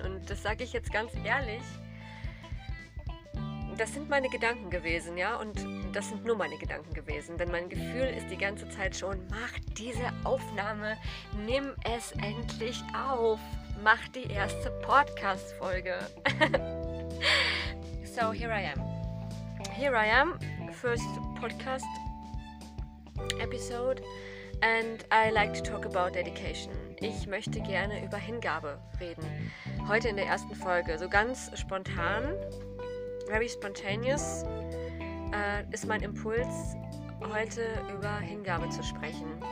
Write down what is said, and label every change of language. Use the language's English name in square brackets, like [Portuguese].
[German] Und das sage ich jetzt ganz ehrlich, das sind meine Gedanken gewesen, ja? Und das sind nur meine Gedanken gewesen, denn mein Gefühl ist die ganze Zeit schon, mach diese Aufnahme, nimm es endlich auf, mach die erste Podcast-Folge. [English] So, here I am. Here I am, first podcast episode, and I like to talk about dedication. [German] Ich möchte gerne über Hingabe reden. Heute in der ersten Folge, so ganz spontan, [English] very spontaneous, [German] ist mein Impuls, heute über Hingabe zu sprechen.